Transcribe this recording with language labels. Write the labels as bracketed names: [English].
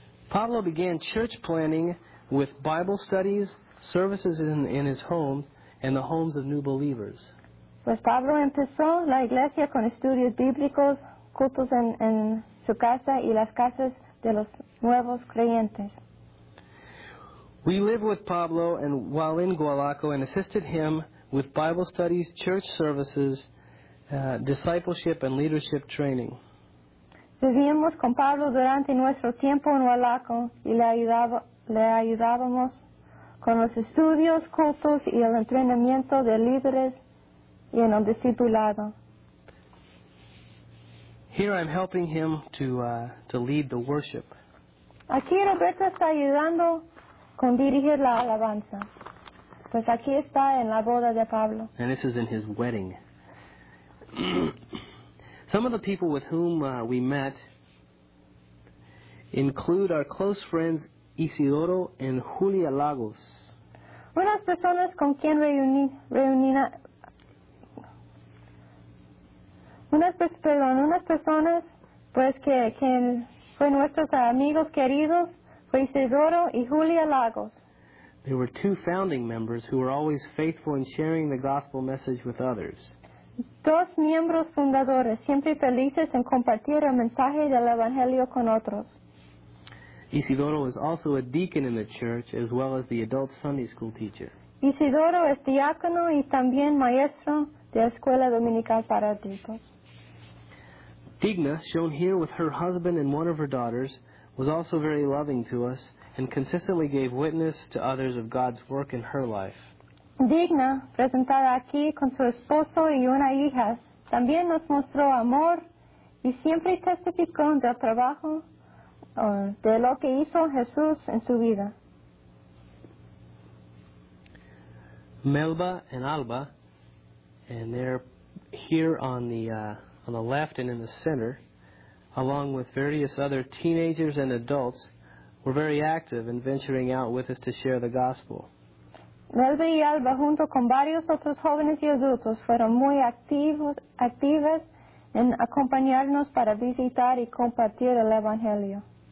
[English] Pablo began church planning with Bible studies, services in his home, and the homes of new believers. [Spanish] Pues Pablo empezó la iglesia con estudios bíblicos, cultos en su casa y las casas de los nuevos creyentes. [English] We lived with Pablo and while in Gualaco and assisted him with Bible studies, church services, discipleship and leadership training. [Spanish] Vivíamos con Pablo durante nuestro tiempo en Walaco y le ayudábamos con los estudios, cultos y el entrenamiento de líderes y en el discipulado. [English] Here I'm helping him to lead the worship. [Spanish] Aquí Roberto está ayudando con dirigir la alabanza. Pues aquí está en la boda de Pablo. [English] And this is in his wedding. Some of the people with whom we met include our close friends Isidoro and Julia Lagos. [Spanish] Unas personas con quien unas personas fue nuestros amigos queridos fue Isidoro y Julia Lagos. [English] They were two founding members who were always faithful in sharing the gospel message with others. [Spanish] Dos miembros fundadores, siempre felices en compartir el mensaje del Evangelio con otros. [English] Isidoro is also a deacon in the church as well as the adult Sunday school teacher. [Spanish] Isidoro es diácono y también maestro de escuela dominical para adultos. [English] Digna, shown here with her husband and one of her daughters, was also very loving to us and consistently gave witness to others of God's work in her life. [Spanish] Digna, presentada aquí con su esposo y una hija, también nos mostró amor y siempre testificó del trabajo de lo que hizo Jesús en su vida. [English] Melba and Alba, and they're here on the left and in the center, along with various other teenagers and adults, were very active in venturing out with us to share the gospel. [Spanish] Melba y Alba, junto con varios otros jóvenes y adultos, fueron muy activas en acompañarnos para visitar y compartir el Evangelio.